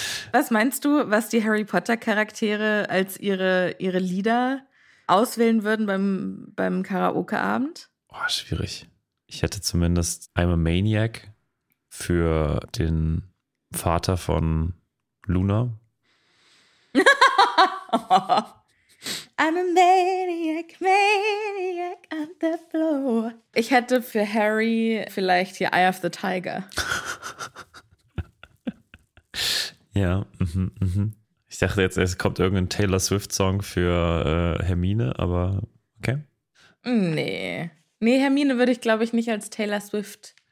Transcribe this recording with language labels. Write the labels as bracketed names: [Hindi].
[German] Was meinst du, was die Harry Potter Charaktere als ihre Lieder auswählen würden beim Karaoke-Abend? Oh, schwierig. Ich hätte zumindest I'm a Maniac für den Vater von Luna. [English] I'm a maniac, maniac on the floor. [German] Ich hätte für Harry vielleicht hier Eye of the Tiger. Ja. Ich dachte jetzt, es kommt irgendein Taylor Swift Song für Hermine, aber okay. Nee, Hermine würde ich, glaube ich, nicht als Taylor Swift.